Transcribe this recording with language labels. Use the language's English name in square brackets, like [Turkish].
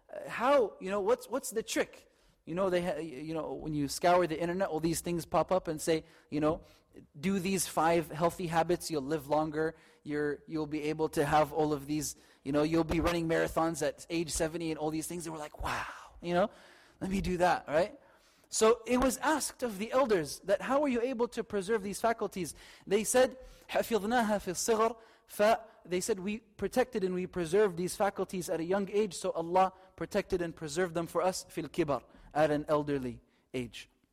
[English] How, you know, what's the trick? You know, when you scour the internet, all these things pop up and say, you know, do these five healthy habits, you'll live longer. You'll be able to have all of these, you know, you'll be running marathons at age 70 and all these things. And we're like, wow, you know, let me do that, right? So it was asked of the elders that how are you able to preserve these faculties? They said, [Arabic] حَفِظْنَاهَا فِي الصِّغَرِ. [English] They said, we protected and we preserved these faculties at a young age, so Allah protected and preserved them for us, [Arabic] fil kibar, [English] at an elderly age.